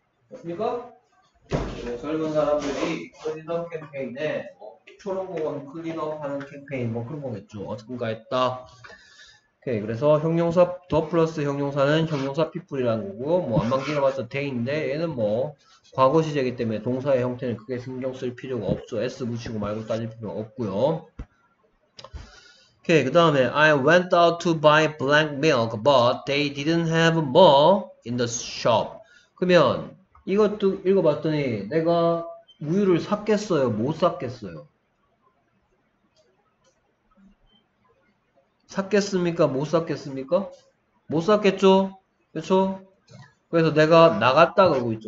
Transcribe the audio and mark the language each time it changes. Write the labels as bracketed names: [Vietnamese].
[Korean] 맞습니까? 젊은 사람들이 클린업 캠페인에 뭐 초록공원 클린업 하는 캠페인 뭐 그런 거겠죠. 어딘가 했다. 오케이, 그래서 형용사 더 플러스 형용사는 형용사 피플이라는 거고 뭐 안방 길어봤자 데인데 얘는 뭐 과거 시제이기 때문에 동사의 형태는 크게 신경 쓸 필요가 없죠. S 붙이고 말고 따질 필요 없고요. 오케이, 그 다음에 [English] I went out to buy blank milk, but they didn't have more in the shop. [Korean] 그러면 이것도 읽어봤더니 내가 우유를 샀겠어요? 못 샀겠어요? 샀겠습니까? 못 샀겠습니까? 못 샀겠죠? 그렇죠? 그래서 내가 나갔다 그러고 있죠.